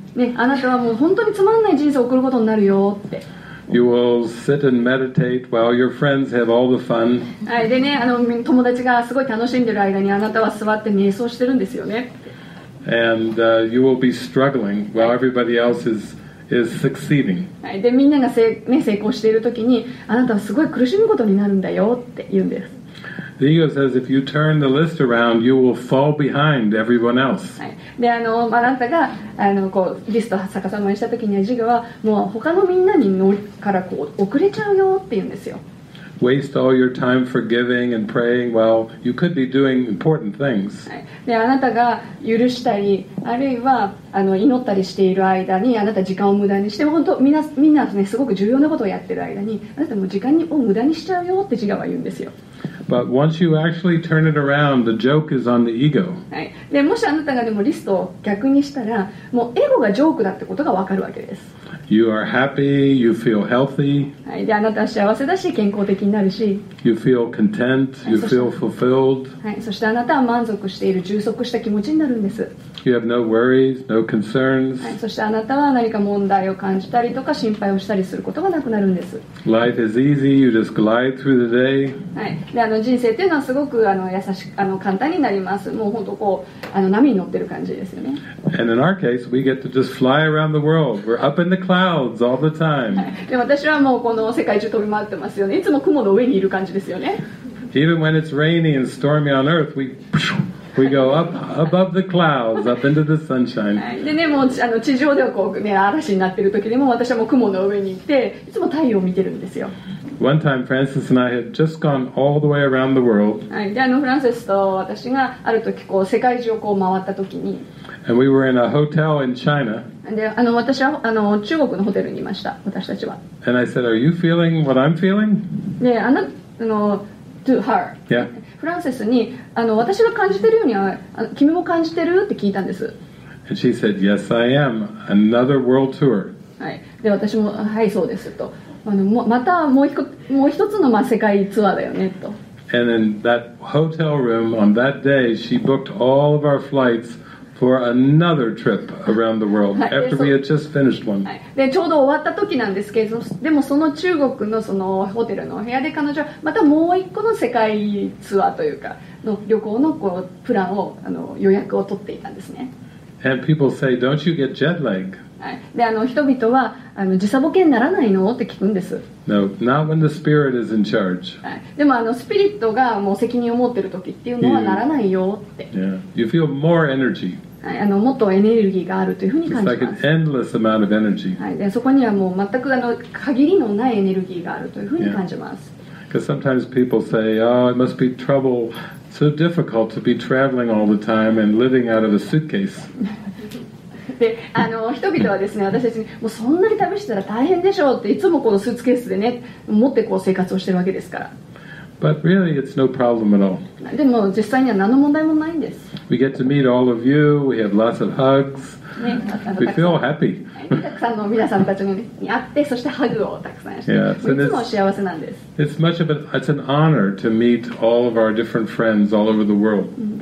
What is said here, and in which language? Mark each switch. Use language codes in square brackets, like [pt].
[ja] ね、あなたはもう本当につまんない人生を送ることになるよって。 [en] You will sit and meditate while your friends have all the fun. [ja] はい、でね、友達がすごい楽しんでる間にあなたは座って瞑想してるんですよね。 [en] And you will be struggling while everybody else is succeeding. [ja] はい、でみんなが成功している時にあなたはすごい苦しむことになるんだよって言うんです。 [en] The ego says, if you turn the list around, you will fall behind everyone else. [ja] はい。で、あなたが、リストを逆さまにした時には、自我は、もう他のみんなに遅れちゃうよって言うんですよ。 [en] Waste all your time forgiving and praying while you could be doing important things. [ja] はい。で、あなたが許したり、あるいは、祈ったりしている間に、あなた時間を無駄にして、本当、みんなですね、すごく重要なことをやってる間に、あなたも時間を無駄にしちゃうよって自我は言うんですよ。 [en] But once you actually turn it around, the joke is on the ego. [ja] はい。で、もしあなたがでもリストを逆にしたら、もうエゴがジョークだってことがわかるわけです。 [en] You are happy, you feel healthy. [ja] はい。で、あなたは幸せだし、健康的になるし。 [en] You feel content, you feel fulfilled. [ja] はい。そしてあなたは満足している、充足した気持ちになるんです。 [en] You have no worries, no concerns. [ja] はい。そしてあなたは何か問題を感じたりとか心配をしたりすることがなくなるんです。 [en] Life is easy, you just glide through the day. [ja] はい。で、人生というのはすごく優しく簡単になります。もう本当こう波に乗ってる感じですよね。 [en] And in our case, we get to just fly around the world. We're up in the clouds all the time. [ja] で、私はもうこの世界中飛び回ってますよね。いつも雲の上にいる感じですよね。 [en] Even when it's rainy and stormy on Earth, we go up above the clouds, up into the sunshine. [ja] でね、もう地上ではこうね嵐になってる時でも私はもう雲の上に行っていつも太陽を見てるんですよ。 [en] One time, Francis and I had just gone all the way around the world. [ja] はい、で、フランセスと私がある時こう世界中をこう回った時に、 [en] and we were in a hotel in China. [ja] で、私は中国のホテルにいました。私たちは。 [en] And I said, "Are you feeling what I'm feeling?" で、to her. Yeah. [ja] フランセスに私が感じてるようには君も感じてるって聞いたんです。 [en] And she said, "Yes, I am. Another world tour." [ja] はい、で、私もはい、そうですと。またもう一つの世界ツアーだよねと。 [en] And in that hotel room on that day, she booked all of our flights for another trip around the world after we had just finished one. [ja] で、ちょうど終わった時なんですけど、でもその中国のそのホテルの部屋で彼女はまたもう一個の世界ツアーというかの旅行のこうプランを予約を取っていたんですね。 [en] And people say, "Don't you get jet lag?" [ja] で、人々は時差ボケにならないのって聞くんです。 [en] No, not when the spirit is in charge. [ja] でもスピリットがもう責任を持ってる時っていうのはならないよって。 [en] Yeah. You feel more energy. [ja] もっとエネルギーがあるというふうに感じます。 [en] It's like an endless amount of energy. [ja] で、そこにはもう全く限りのないエネルギーがあるというふうに感じます。 [en] Because sometimes people say, "Oh, it must be trouble." So difficult to be traveling all the time and living out of a suitcase. [ja] で、人々はですね、私たちにもうそんなに旅したら大変でしょうっていつもこのスーツケースでね持ってこう生活をしてるわけですから。 [en] But really, it's no problem at all. [ja] でも実際には何の問題もないんです。 [en] We get to meet all of you. We have lots of hugs. We feel happy. It's much of it's an honor to meet all of our different friends all over the world.